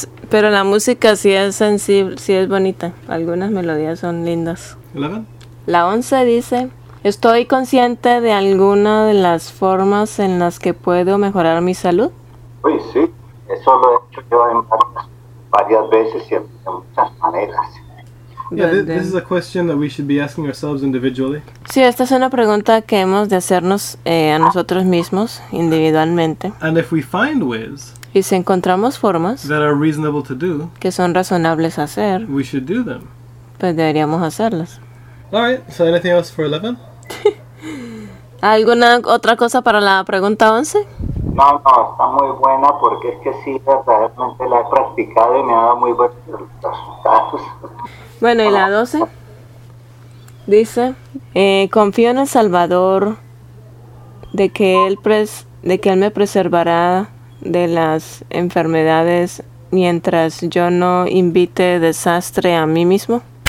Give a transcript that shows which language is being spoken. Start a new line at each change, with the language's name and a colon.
Spanish: Pero la música sí es sensible, sí es bonita. Algunas melodías son lindas. La 11 dice, estoy consciente de alguna de las formas en las que puedo mejorar mi salud. Uy, sí, eso lo he hecho yo en varias veces y en muchas maneras.
English: This is a question that we should be asking ourselves individually.
Spanish: Sí, esta es una pregunta que hemos de hacernos a nosotros mismos individualmente.
English: And if we find ways,
Spanish: y si encontramos formas
English: that are reasonable to do,
Spanish: que son razonables hacer,
English: we should do them.
Spanish: Pues deberíamos hacerlas.
English: All right. So, anything else for 11?
Spanish: ¿Alguna otra cosa para la pregunta 11? No, está muy buena porque es que sí, verdaderamente la he practicado y me ha dado muy buenos resultados. Bueno, y la 12 dice: confío en el Salvador de que él me preservará de las enfermedades mientras yo no invite desastre a mí mismo.